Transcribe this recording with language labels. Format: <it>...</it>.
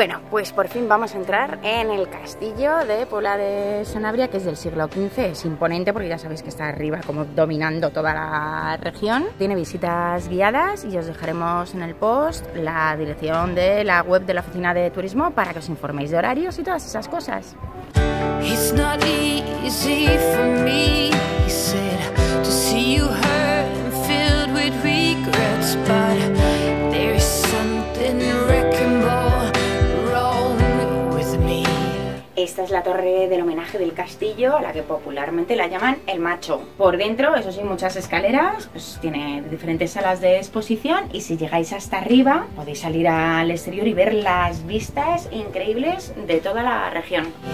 <es>Pues por fin vamos a entrar en el castillo de Puebla de Sanabria, que es del siglo XV. Es imponente porque ya sabéis que está arriba como dominando toda la región. Tiene visitas guiadas y os dejaremos en el post la dirección de la web de la oficina de turismo para que os informéis de horarios y todas esas cosas.</es> <en>It's not easy for me, he said, to see you hurt and filled with regrets, but there's something wreckable wrong with me.</en> <es>Esta es la torre del homenaje del castillo, a la que popularmente la llaman el macho. Por dentro, eso sí, muchas escaleras, pues tiene diferentes salas de exposición y si llegáis hasta arriba podéis salir al exterior y ver las vistas increíbles de toda la región.</es>